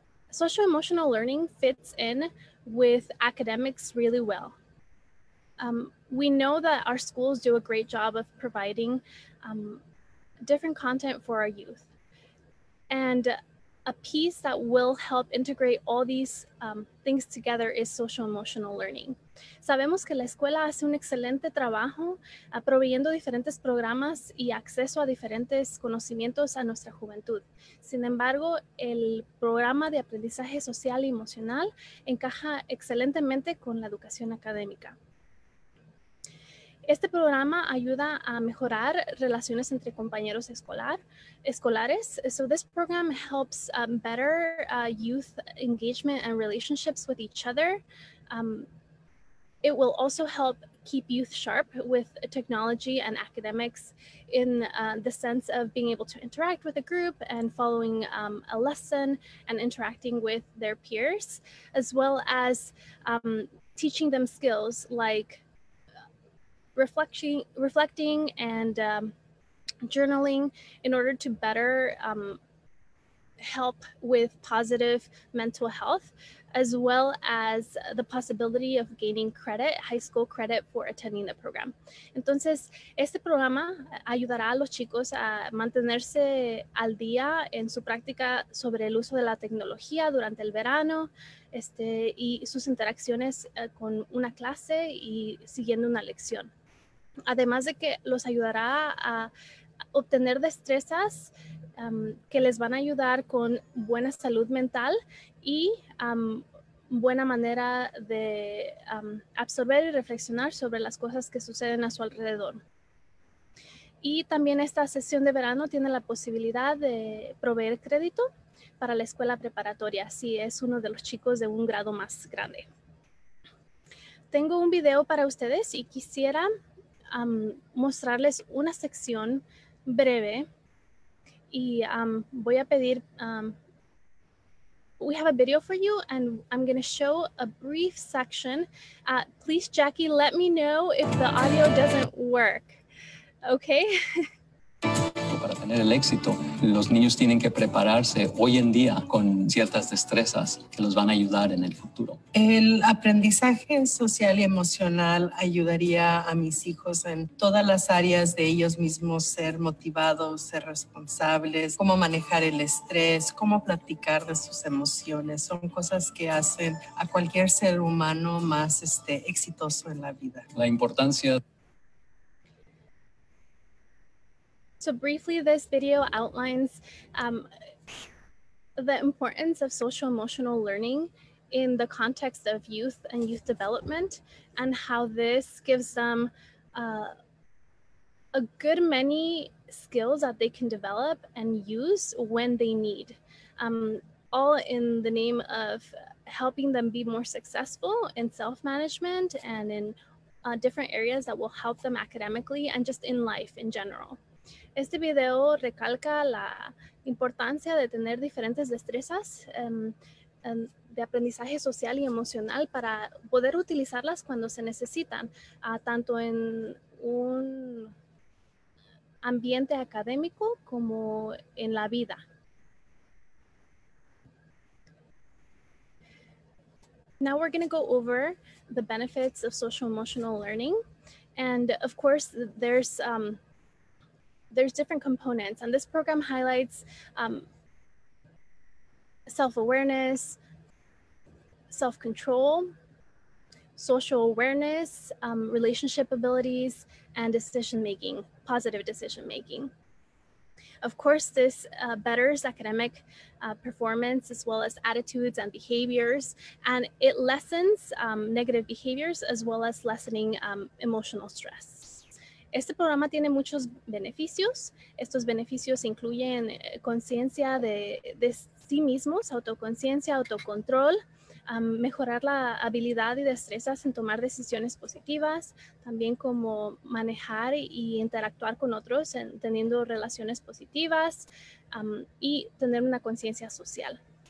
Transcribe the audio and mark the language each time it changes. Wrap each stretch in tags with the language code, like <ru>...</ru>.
<en>Social-emotional learning fits in with academics really well. We know that our schools do a great job of providing different content for our youth. And a piece that will help integrate all these things together is social-emotional learning.</en> <es>Sabemos que la escuela hace un excelente trabajo proveyendo diferentes programas y acceso a diferentes conocimientos a nuestra juventud. Sin embargo, el programa de aprendizaje social y emocional encaja excelentemente con la educación académica. Este programa ayuda a mejorar relaciones entre compañeros escolares.</es> <en>So this program helps better youth engagement and relationships with each other. It will also help keep youth sharp with technology and academics in the sense of being able to interact with a group and following a lesson and interacting with their peers, as well as teaching them skills like reflecting and journaling in order to better help with positive mental health, as well as the possibility of gaining credit, high school credit, for attending the program.</en> <es>Entonces, este programa ayudará a los chicos a mantenerse al día en su práctica sobre el uso de la tecnología durante el verano, y sus interacciones con una clase y siguiendo una lección. Además de que los ayudará a obtener destrezas que les van a ayudar con buena salud mental y buena manera de absorber y reflexionar sobre las cosas que suceden a su alrededor. Y también esta sesión de verano tiene la posibilidad de proveer crédito para la escuela preparatoria si es uno de los chicos de un grado más grande. Tengo un video para ustedes y quisiera mostrarles una sección breve y voy a pedir</es> <en>we have a video for you, and I'm going to show a brief section. Please, Jackie, let me know if the audio doesn't work. Okay?</en> <es>Para tener el éxito, los niños tienen que prepararse hoy en día con ciertas destrezas que los van a ayudar en el futuro. El aprendizaje social y emocional ayudaría a mis hijos en todas las áreas de ellos mismos, ser motivados, ser responsables, cómo manejar el estrés, cómo platicar de sus emociones. Son cosas que hacen a cualquier ser humano más exitoso en la vida. La importancia...</es> <en>So briefly, this video outlines the importance of social-emotional learning in the context of youth and youth development, and how this gives them a good many skills that they can develop and use when they need, all in the name of helping them be more successful in self-management and in different areas that will help them academically and just in life in general.</en> <es>Este video recalca la importancia de tener diferentes destrezas de aprendizaje social y emocional para poder utilizarlas cuando se necesitan, tanto en un ambiente académico como en la vida.</es> <en>Now we're going to go over the benefits of social-emotional learning. And of course, there's different components, and this program highlights self-awareness, self-control, social awareness, relationship abilities, and decision-making, positive decision-making. Of course, this betters academic performance as well as attitudes and behaviors, and it lessens negative behaviors as well as lessening emotional stress.</en> <es>Este programa tiene muchos beneficios. Estos beneficios incluyen conciencia de sí mismos, autoconciencia, autocontrol, mejorar la habilidad y destrezas en tomar decisiones positivas, también como manejar y interactuar con otros en, teniendo relaciones positivas y tener una conciencia social.</es>